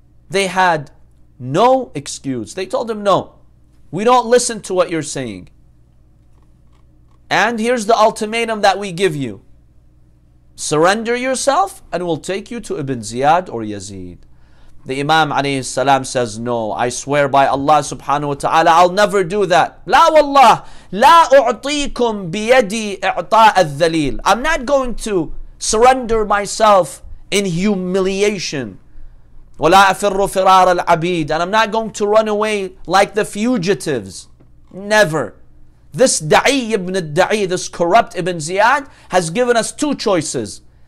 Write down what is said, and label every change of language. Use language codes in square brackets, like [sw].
[en] They had no excuse. They told him, no, we don't listen to what you're saying. And here's the ultimatum that we give you. Surrender yourself and we'll take you to Ibn Ziyad or Yazid. The Imam alayhi salam says, no, I swear by Allah subhanahu wa ta'ala, I'll never do that. [ar] لا والله لا أعطيكم بيدي إعطاء الذليل. [en] I'm not going to surrender myself in humiliation. [ar] ولا أفر فرار العبيد. [en] And I'm not going to run away like the fugitives. Never. This da'i ibn al-da'i, this corrupt Ibn Ziyad, has given us two choices.